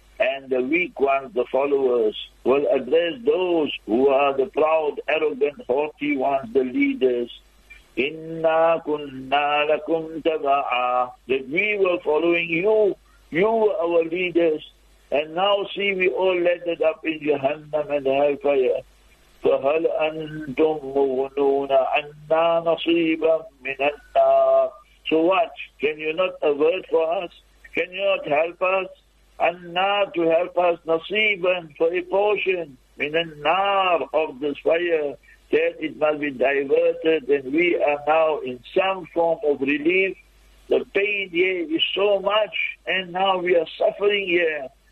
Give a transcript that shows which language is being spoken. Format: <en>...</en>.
<en>and the weak ones, the followers, will address those who are the proud, arrogant, haughty ones, the leaders.</en> <ar>Inna kunna lakum taba'a,</ar> <en>that we were following you, you were our leaders, and now see we all landed up in Jahannam and Hellfire.</en> <ar>فَهَلْ أَنْتُمْ مُغْنُونَ عَنَّا نَصِيبًا مِنَ النَّارِ</ar> <en>So what? Can you not avert for us? Can you not help us?</en> <ar>أَنَّا</ar> <en>to help us</en> <ar>نَصِيبًا</ar> <en>for a portion</en> <ar>مِنَ النَّارِ</ar> <en>of this fire, that it must be diverted and we are now in some form of relief. The pain here is so much and now we are suffering here.</en>